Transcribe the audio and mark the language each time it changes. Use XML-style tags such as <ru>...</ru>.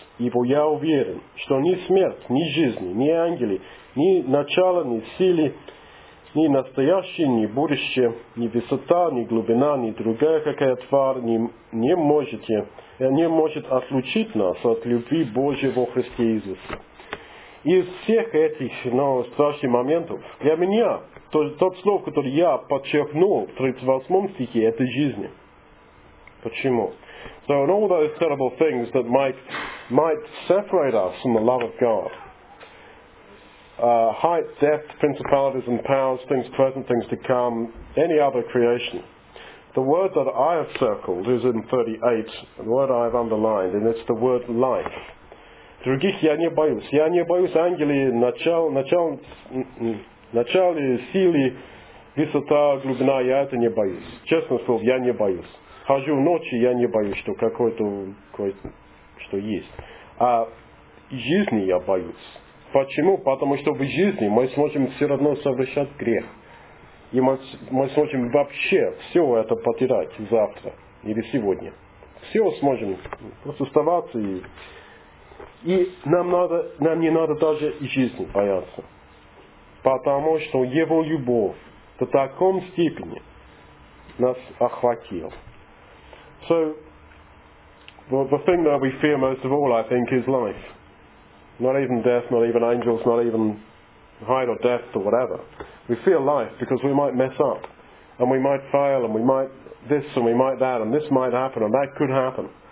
<ru>Ибо я уверен, что ни смерть, ни жизнь, ни ангелы, ни начало, ни силы, ни настоящее, ни будущее, ни высота, ни глубина, ни другая какая тварь не может отлучить нас от любви Божьей во Христе Иисусе. Из всех этих страшных моментов для меня тот слово, который я подчеркнул в 38 стихе, это жизнь. Почему?</ru> <en>So in all those terrible things that might separate us from the love of God, height, depth, principalities and powers, things present, things to come, any other creation, the word that I have circled is in 38, the word I have underlined, and it's the word life.</en> <ru>Других я не боюсь ангелы, начало, силы, высота, глубина, я это не боюсь. Честно слово, я не боюсь. Хожу ночи, я не боюсь, что какое-то, что есть. А жизни я боюсь. Почему? Потому что в жизни мы сможем все равно совершать грех. И мы сможем вообще все это потерять завтра или сегодня. Все сможем просто оставаться. И нам не надо даже жизни бояться. Потому что его любовь до такой степени нас охватила.</ru> <en>So, the thing that we fear most of all, I think, is life. Not even death, not even angels, not even height or depth or whatever. We fear life because we might mess up, and we might fail, and we might this, and we might that, and this might happen, and that could happen.</en>